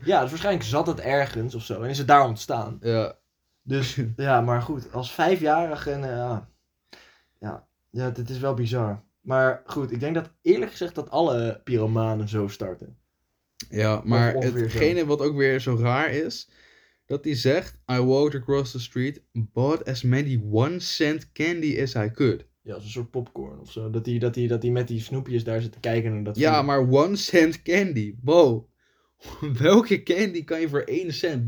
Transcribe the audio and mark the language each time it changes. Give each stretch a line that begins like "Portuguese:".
Dutch: Ja, dus waarschijnlijk zat het ergens of zo. En is het daar ontstaan. Ja. Dus ja, maar goed. Als 5-jarige en ja, dit is wel bizar. Maar goed, ik denk dat eerlijk gezegd dat alle pyromanen zo starten. Ja, maar hetgene wat ook weer zo raar is... Dat hij zegt,
English: I walked across the street, bought as many 1-cent candy as I could.
Dutch: Ja, als een soort popcorn of zo. Dat hij met die snoepjes daar zit te kijken. En dat ja, vindt... maar 1-cent candy, bro. Welke candy kan je voor 1 cent?